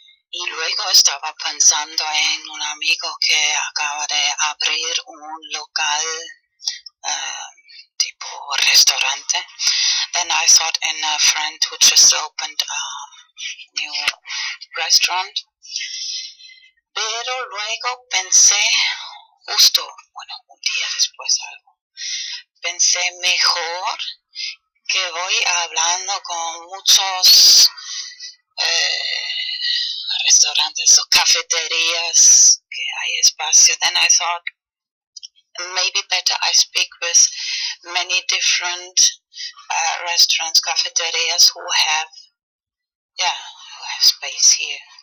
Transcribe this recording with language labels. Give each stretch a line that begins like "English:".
Spanish: Y luego estaba pensando en un amigo que acaba de abrir un local, tipo restaurante.
English: And I thought in a friend who just opened a new restaurant.
Spanish: Pero luego pensé, justo, bueno, un día después algo, pensé mejor que voy hablando con muchos restaurantes o cafeterías que hay espacio.
English: Then I thought, maybe better I speak with many different restaurants, cafeterías who have, who have space here.